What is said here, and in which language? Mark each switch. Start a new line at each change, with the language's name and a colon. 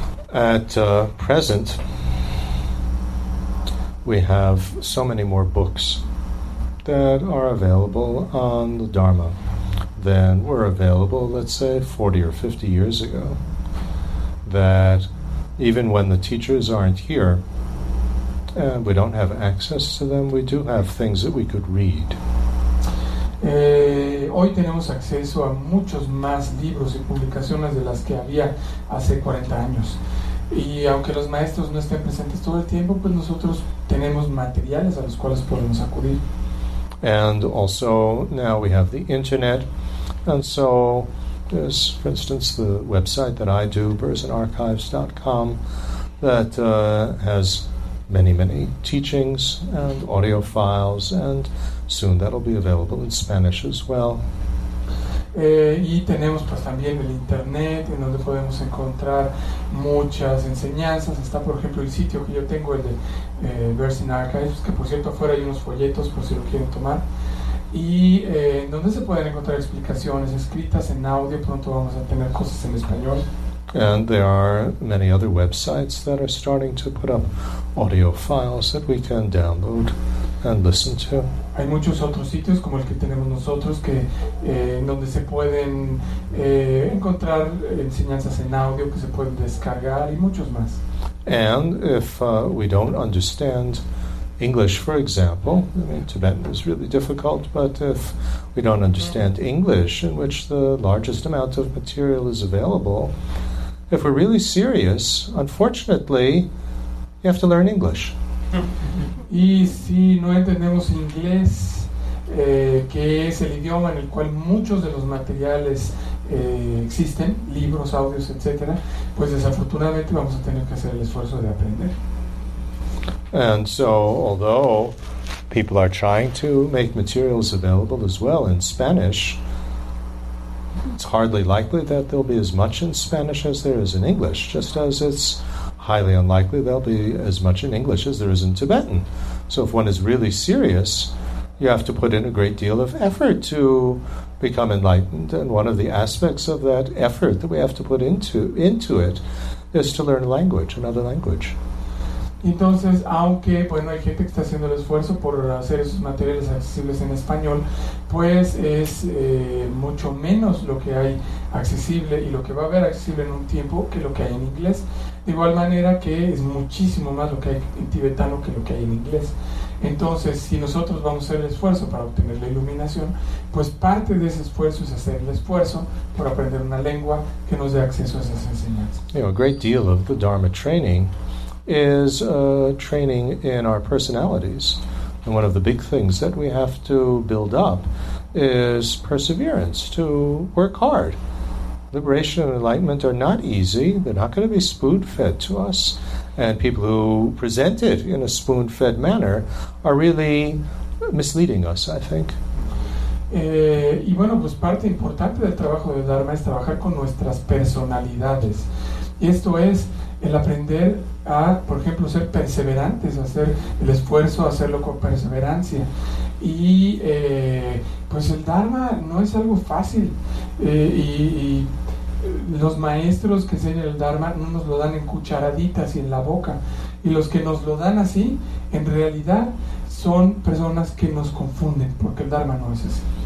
English: At present, we have so many more books that are available on the Dharma than were available, let's say, 40 or 50 years ago, that even when the teachers aren't here and we don't have access to them, we do have things that we could read.
Spanish: Hoy tenemos acceso a muchos más libros y publicaciones de las que había hace 40 años. Y aunque los maestros no estén presentes todo el tiempo, pues nosotros tenemos materiales a los cuales podemos acudir.
English: And also now we have the internet, and so there's, for instance, the website that I do, bursanarchives.com, that has many, many teachings and audio files, and soon that'll be available in Spanish as well.
Spanish: Y tenemos pues también el internet, en donde podemos encontrar muchas enseñanzas. Está, por ejemplo, el sitio que yo tengo, el de Verse in Archives, que por cierto afuera hay unos folletos por si lo quieren tomar, y donde se pueden encontrar explicaciones escritas en audio. Pronto vamos a tener cosas en español.
English: And there are many other websites that are starting to put up audio files that we can download and listen to.
Spanish: Hay muchos otros sitios como el que tenemos nosotros que donde se pueden encontrar enseñanzas en audio que se pueden descargar y muchos más.
English: And if we don't understand English, for example, Tibetan is really difficult, but if we don't understand English, in which the largest amount of material is available, if we're really serious, unfortunately, you have to learn English.
Spanish: Y si no entendemos inglés, que es el idioma en el cual muchos de los materiales existen, libros, audios, etc., pues desafortunadamente vamos a tener que hacer el esfuerzo de aprender.
English: And so, although people are trying to make materials available as well in Spanish, it's hardly likely that there'll be as much in Spanish as there is in English, just as it's highly unlikely there'll be as much in English as there is in Tibetan. So if one is really serious, you have to put in a great deal of effort to become enlightened, and one of the aspects of that effort that we have to put into it is to learn a language, another language.
Spanish: Entonces, aunque bueno, hay gente que está haciendo el esfuerzo por hacer esos materiales accesibles en español, pues es mucho menos lo que hay accesible y lo que va a haber accesible en un tiempo que lo que hay en inglés. De igual manera que es muchísimo más lo que hay en tibetano que lo que hay en inglés. Entonces, si nosotros vamos a hacer el esfuerzo para obtener la iluminación, pues parte de ese esfuerzo es hacer el esfuerzo por aprender una lengua que nos dé acceso a esas enseñanzas.
English: A great deal of the Dharma training is training in our personalities. And one of the big things that we have to build up is perseverance, to work hard. Liberation and enlightenment are not easy. They're not going to be spoon-fed to us. And people who present it in a spoon-fed manner are really misleading us, I think.
Spanish: Y bueno, pues parte importante del trabajo del Dharma es trabajar con nuestras personalidades. Y esto es el aprender a, por ejemplo, ser perseverantes, hacer el esfuerzo, hacerlo con perseverancia. Y pues el Dharma no es algo fácil, y los maestros que enseñan el Dharma no nos lo dan en cucharaditas y en la boca, y los que nos lo dan así en realidad son personas que nos confunden, porque el Dharma no es así.